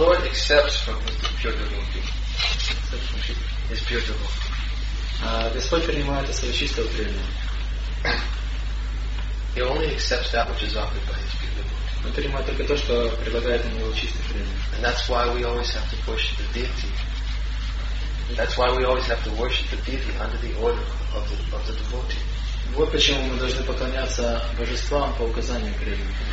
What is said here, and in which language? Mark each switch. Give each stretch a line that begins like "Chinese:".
English: Accepts from his pure devotee. His pure devotee.
Russian: Господь принимает это свое чистое преданное.
English: He only accepts that which is offered by his pure devotee.
Russian: Он принимает только то, что предлагает ему его чистое преданное.
English: And that's why we always have to worship the deity. That's why we always have to worship the deity under the order of the devotee.
Russian: Вот почему мы должны поклоняться божествам по указаниям преданных.